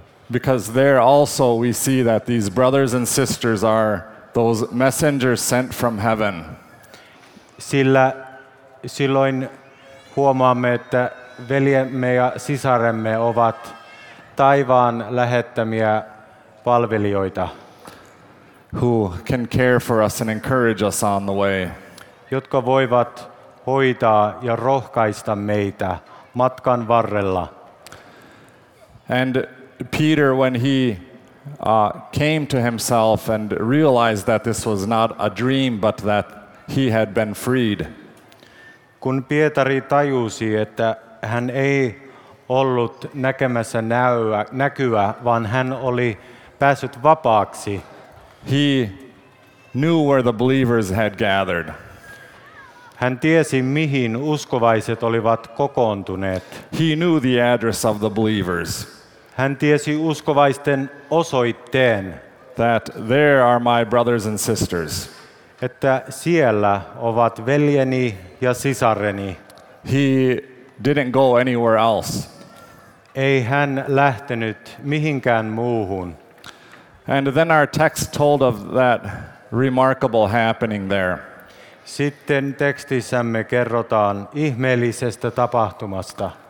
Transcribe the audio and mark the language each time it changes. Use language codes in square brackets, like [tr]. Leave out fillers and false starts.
[en] Because there also we see that these brothers and sisters are those messengers sent from heaven. [fi] Sillä silloin huomaamme, että veljemme ja sisaremme ovat taivaan lähettämiä palvelijoita. [en] Who can care for us and encourage us on the way. [fi] Jotka voivat hoitaa ja rohkaista meitä matkan varrella. [en] And Peter, when he came to himself and realized that this was not a dream, but that he had been freed. [fi] Kun Pietari tajusi, että hän ei ollut näkemässä näkyä, vaan hän oli päässyt vapaaksi. [en] He knew where the believers had gathered. [fi] Hän tiesi, mihin uskovaiset olivat kokoontuneet. [en] He knew the address of the believers. [fi] Hän tiesi uskovaisten osoitteen. [en] That there are my brothers and sisters. [fi] Että siellä ovat veljeni ja sisareni. [en] He didn't go anywhere else. [fi] Ei hän lähtenyt mihinkään muuhun. [en] And then our text told of that remarkable happening there. [fi] Sitten tekstissämme kerrotaan ihmeellisestä tapahtumasta.